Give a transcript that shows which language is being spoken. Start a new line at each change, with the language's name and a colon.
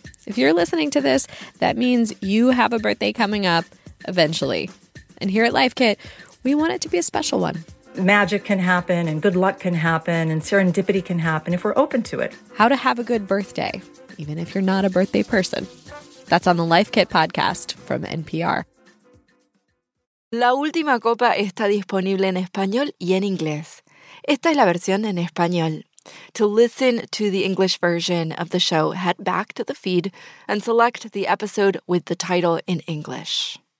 English: If you're listening to this, that means you have a birthday coming up eventually. And here at Life Kit, we want it to be a special one. Magic can happen and good luck can happen and serendipity can happen if we're open to it. How to have a good birthday, even if you're not a birthday person. That's on the Life Kit podcast from NPR.
Spanish: La última copa está disponible en español y en inglés. Esta es la versión en español.
English: To listen to the English version of the show, head back to the feed and select the episode with the title in English.